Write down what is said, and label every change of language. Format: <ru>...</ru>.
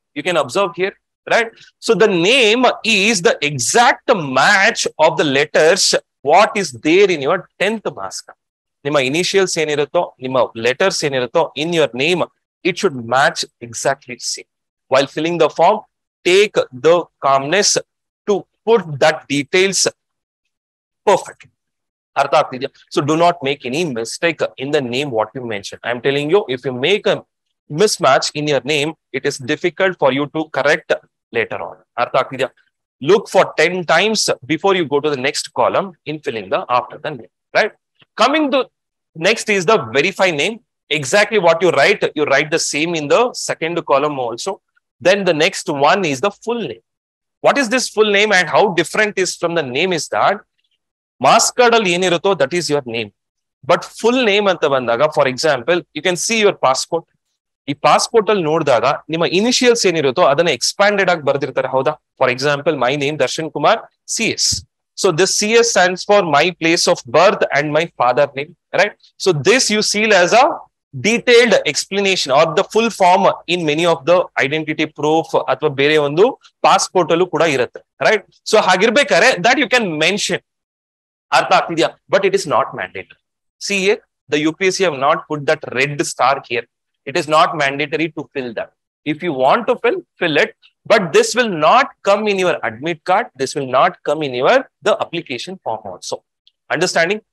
<en>You can observe here, right? So the name is the exact match of the letters what is there in your 10th mask.</en> <kn>Nima initials enirutho, nima letters enirutho</kn> <en>in your name, it should match exactly same. While filling the form, take the calmness to put that details perfectly.</en> <kn>ಅರ್ಥ ಆಗ್ತಿದ್ಯಾ?</kn> <en>So do not make any mistake in the name what you mention. I am telling you, if you make a mismatch in your name, it is difficult for you to correct later on.</en> <kn>ಅರ್ಥ ಆಗ್ತಿದ್ಯಾ?</kn> <en>Look for 10 times before you go to the next column in filling the after the name, right? Coming to next is the verify name. Exactly what you write the same in the second column also. Then the next one is the full name. What is this full name and how different is from the name is that</en> <kn>mask card ಅಲ್ಲಿ ಏನಿರುತ್ತೋ</kn> <en>That is your name.</en> <kn>But full name ಅಂತ ಬಂದಾಗ,</kn> <en>For example, you can see your passport.</en> <kn>ಈ passport ಅಲ್ಲಿ ನೋಡಿದಾಗ ನಿಮ್ಮ initials ಏನಿರುತ್ತೋ ಅದನ್ನ expanded ಆಗಿ ಬರೆದಿರ್ತಾರೆ, ಹೌದಾ?</kn> <en>For example, my name Darshan Kumar, C S. So this C S stands for my place of birth and my father name, right? So this you seal as a detailed explanation or the full form in many of the identity proof</en> <kn>ಅಥವಾ ಬೇರೆ ಒಂದು passport ಅಲ್ಲೂ ಕೂಡ ಇರುತ್ತೆ,</kn> <en>Right?</en> <kn>So ಹಾಗಿರ್ಬೇಕಾದ್ರೆ</kn> <en>That you can mention.</en> <kn>Artha Akidya.</kn> <en>But it is not mandatory. See here, the UPSC have not put that red star here. It is not mandatory to fill that. If you want to fill, fill it. But this will not come in your admit card. This will not come in your the application form also. Understanding?</en>